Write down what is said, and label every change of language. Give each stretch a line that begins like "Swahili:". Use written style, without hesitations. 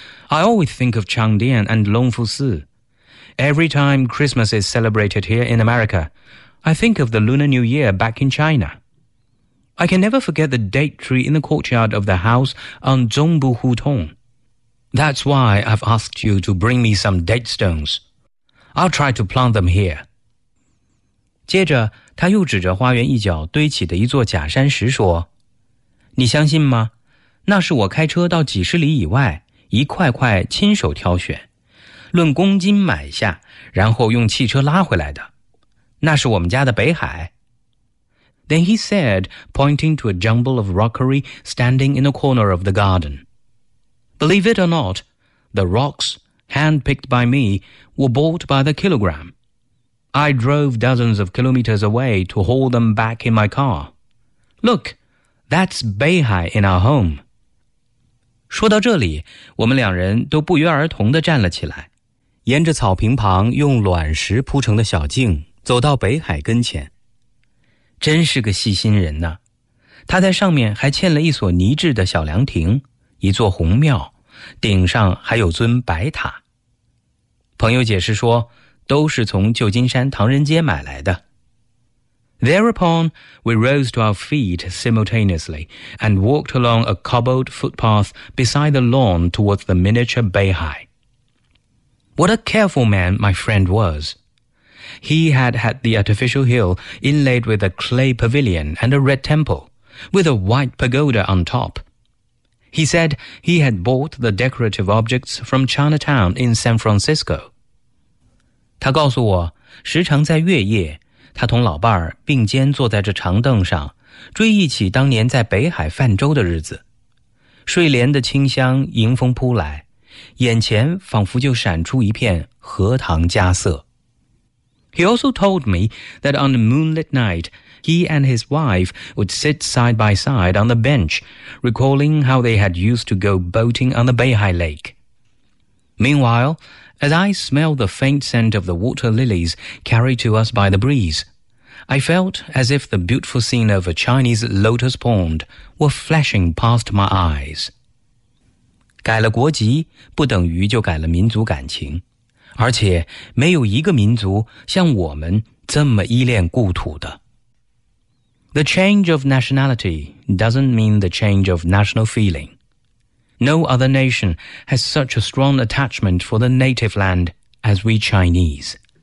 English: I always think of Changdian and Longfu Si. Every time Christmas is celebrated here in America, I think of the Lunar New Year back in China. I can never forget the date tree in the courtyard of the house on Zhongbu Hutong. That's why I've asked you to bring me some date stones. I'll try to plant them here.
Chinese: 接着他又指着花园一角堆起的一座假山石说，你相信吗？那是我开车到几十里以外，一块块亲手挑选，论公斤买下，然后用汽车拉回来的。那是我们家的北海。
English: Then he said, pointing to a jumble of rockery standing in a corner of the garden. Believe it or not, the rocks, hand-picked by me, were bought by the kilogram. I drove dozens of kilometers away to haul them back in my car. Look, that's Beihai in our home.
Chinese: 说到这里，我们两人都不约而同地站了起来，沿着草坪旁用卵石铺成的小径走到北海跟前。真是个细心人呐，他在上面还嵌了一所泥制的小凉亭，一座红庙，顶上还有尊白塔。朋友解释说，都是从旧金山唐人街买来的。
English: Thereupon, we rose to our feet simultaneously and walked along a cobbled footpath beside the lawn towards the miniature Beihai. What a careful man my friend was. He had had the artificial hill inlaid with a clay pavilion and a red temple, with a white pagoda on top. He said he had bought the decorative objects from Chinatown in San Francisco.
Chinese: 他告诉我，时常在月夜，他同老伴儿并肩坐在这长凳上，追忆起当年在北海泛舟的日子。睡莲的清香迎风扑来，眼前仿佛就闪出一片荷塘佳色。
English: He also told me that on a moonlit night, he and his wife would sit side by side on the bench, recalling how they had used to go boating on the Beihai Lake. Meanwhile, as I smelled the faint scent of the water lilies carried to us by the breeze, I felt as if the beautiful scene of a Chinese lotus pond were flashing past my eyes.
Chinese: 改了国籍不等于就改了民族感情，而且没有一个民族像我们这么依恋故土的。
English: The change of nationality doesn't mean the change of national feeling. No other nation has such a strong attachment for the native land as we Chinese.